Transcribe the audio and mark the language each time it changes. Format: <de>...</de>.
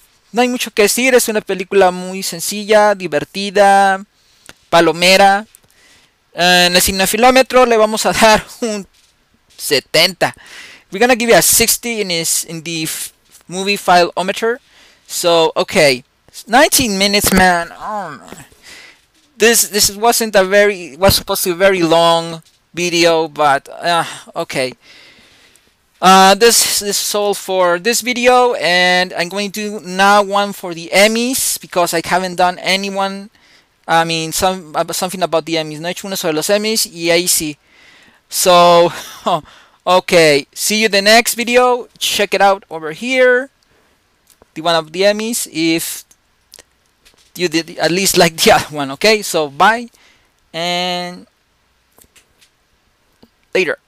<es>No hay mucho que decir, es una película muy sencilla, divertida, palomera. En el cinefilómetro le vamos a dar un 70.</es> <en>We're gonna give you a 60 in the movie filometer. So, okay. 19 minutes, man. Oh, man. This wasn't a very was supposed to be a very long video, but okay. This is all for this video, and I'm going to do now one for the Emmys, because I haven't done anyone, I mean, something about the Emmys.</en> <es>No he hecho uno sobre los Emmys, y ahí sí.</es> <en>So, okay, see you in the next video. Check it out over here, the one of the Emmys, if you did at least like the other one, okay? So, bye, and later.</en>